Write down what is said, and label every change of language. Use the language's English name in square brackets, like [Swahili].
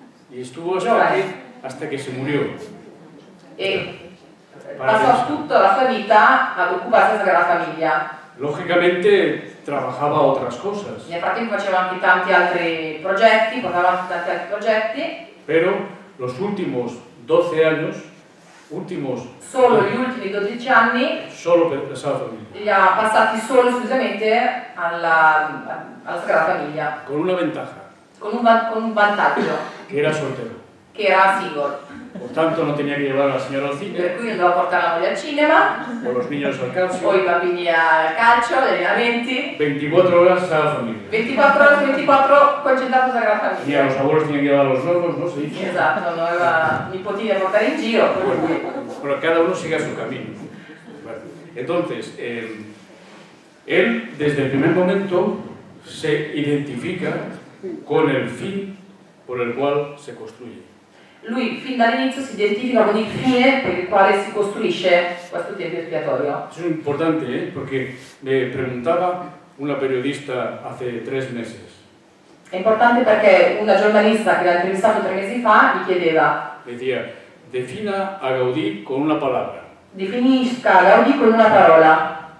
[Spanish] Y estuvo hasta, no, aquí, hasta que se murió. Pasó toda la vida a ocuparse de la Sagrada Familia. Lógicamente, trabajaba otras cosas. [Italian] Nel frattempo faceva anche tanti altri progetti, portava anche tanti altri progetti. [Spanish] Pero los últimos 12 años, [Italian] solo gli ultimi 12 anni, solo per la Sagrada Familia. Li ha passati solo esclusivamente alla Sagrada Famiglia. [Spanish] Con una ventaja. [Italian] Con un vantaggio. Che era soltero. Che era single. [Spanish] Por tanto non tenía que llevar a la signora al cinema. [Italian] Per cui non doveva portare la moglie al cinema. [Spanish] O los niños al calcio. [Italian] O i bambini al calcio, gli allenamenti. 24 ore Sagrada Famiglia. 24 ore, 24 concentrato sulla Sagrada Famiglia. [Spanish] E a los abuelos tenía que llevar a los nuevos, no se dice. [Italian] Esatto, non aveva nipotini a portare in giro. [Spanish] Pero cada uno sigue a su camino. Entonces, él desde el primer momento se identifica con el fin por el cual se construye. [Italian] Lui fin dall'inizio si identifica con il fine per il quale si costruisce questo tempio espiatorio. [Spanish] Es importante, perché me preguntaba una periodista hace 3 meses. [Italian] È importante perché una giornalista che l'ha intervistato 3 mesi fa gli chiedeva. [Spanish] Decía, defina a Gaudí con una palabra. [Italian] Definisca Gaudí con una parola.